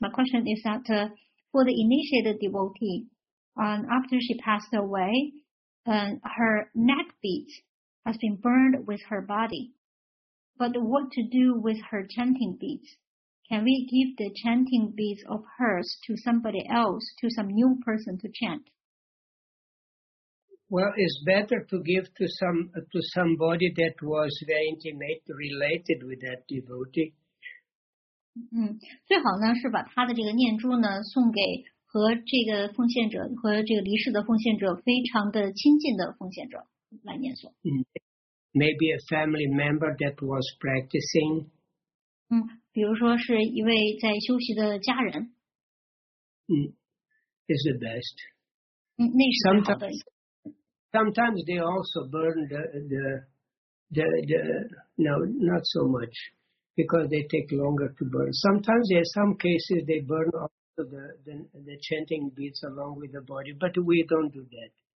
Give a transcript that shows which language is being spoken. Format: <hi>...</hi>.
<en>My question is that for the initiated devotee, after she passed away, her neck beads has been burned with her body, but what to do with her chanting beads? Can we give the chanting beads of hers to somebody else, to some new person to chant? Well, it's better to give to somebody that was very intimate related with that devotee.</en> <zh>最好呢是把他的这个念珠呢送给和这个奉献者和这个离世的奉献者非常的亲近的奉献者来念诵。</zh> <en>maybe a family member that was practicing.</en> <zh>比如说是一位在休息的家人。</zh> <en>Is the best.</en> <zh>那是最好的。</zh> <en>Sometimes they also burn not so much, because they take longer to burn. Sometimes in some cases they burn also the chanting beads along with the body, but we don't do that.</en>